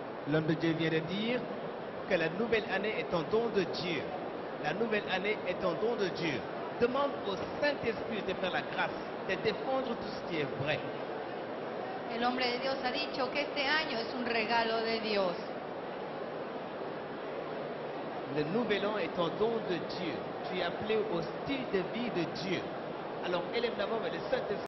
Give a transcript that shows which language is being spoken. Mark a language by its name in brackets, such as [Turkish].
[French] L'homme de Dieu vient de dire que la nouvelle année est un don de Dieu. La nouvelle année est un don de Dieu. Demande au Saint-Esprit de faire la grâce de défendre tout ce qui est vrai. [Spanish] El hombre de Dios ha dicho que este año es un regalo de Dios. [French] Le nouvel an est un don de Dieu. Tu es appelé au style de vie de Dieu. Alors, élève la voix avec le Saint-Esprit.